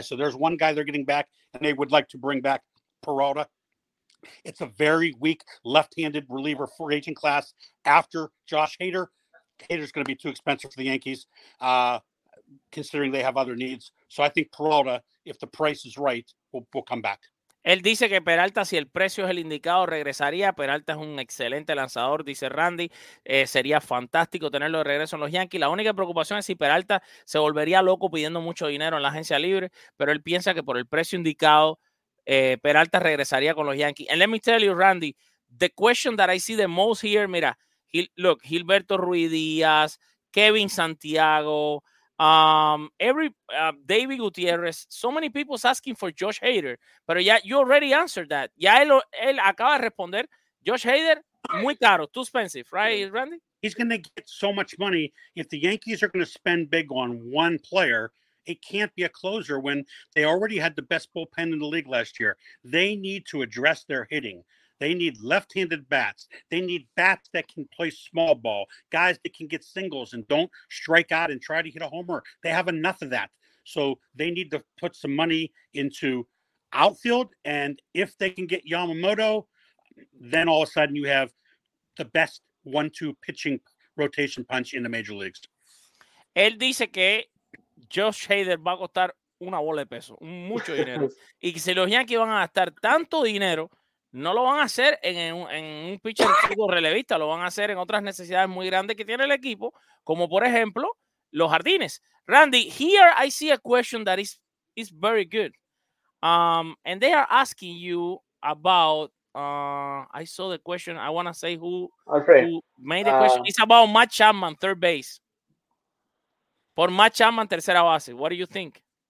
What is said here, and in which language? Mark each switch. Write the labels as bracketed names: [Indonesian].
[English] So there's one guy they're getting back, and they would like to bring back Peralta. It's a very weak left-handed reliever free agent class after Josh Hader. Hader's going to be too expensive for the Yankees, considering they have other needs. So I think Peralta, if the price is right, will come back. [Spanish] Él dice que Peralta, si el precio es el indicado, regresaría. Peralta es un excelente lanzador, dice Randy. Sería fantástico tenerlo de regreso en los Yankees. La única preocupación es si Peralta se volvería loco pidiendo mucho dinero en la agencia libre, pero él piensa que por el precio indicado, Peralta regresaría con los Yankees. [English] And let me tell you, Randy, the question that I see the most here, [Spanish] mira, [English] look, Gilberto Ruiz Díaz, Kevin Santiago, David Gutierrez, so many people's asking for Josh Hader, [Spanish] pero ya [English] you already answered that. [Spanish] Ya él acaba de responder. Josh Hader, muy caro, [English] too expensive, right, Randy? He's going to get so much money. If the Yankees are going to spend big on one player, it can't be a closer when they already had the best bullpen in the league last year. They need to address their hitting. They need left-handed bats. They need bats that can play small ball, guys that can get singles and don't strike out and try to hit a homer. They have enough of that. So they need to put some money into outfield. And if they can get Yamamoto, then all of a sudden you have the best 1-2 pitching rotation punch in the major leagues. [Spanish] Él dice que Josh Hader va a costar una bola de peso, mucho dinero. Y que si los Yankees van a gastar tanto dinero, no lo van a hacer en un pitcher relevista, lo van a hacer en otras necesidades muy grandes que tiene el equipo, como por ejemplo los jardines. [English] Randy, here I see a question that is very good. And they are asking you about, I saw the question, I want to say who made the question. It's about Matt Chapman, third base. For Matt Chapman, [Spanish] tercera base, [English] what do you think?